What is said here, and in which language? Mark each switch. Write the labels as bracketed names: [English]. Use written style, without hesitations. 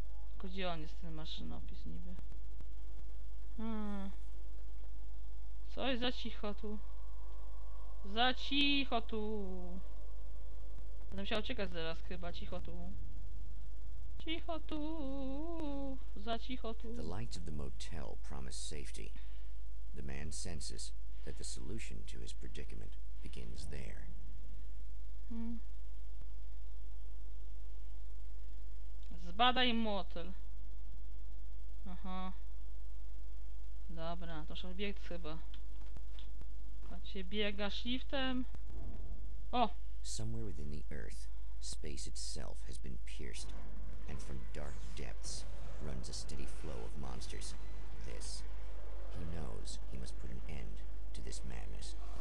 [Polish] Tylko gdzie on jest ten maszynopis niby? Co jest za cicho tu? Za cicho tu. Będę musiał uciekać zaraz chyba. Cicho tu. Cicho tu. Za cicho tu. [English] The lights of the motel promise safety. The man senses that the solution to his predicament begins there. [Polish] Zbadaj motel. Aha. Dobra, to trzeba biec chyba. Patrzcie, biega shiftem. O! [English] Somewhere within the earth, space itself has been pierced, and from dark depths runs a steady flow of monsters. This. He knows he must put an end to this madness.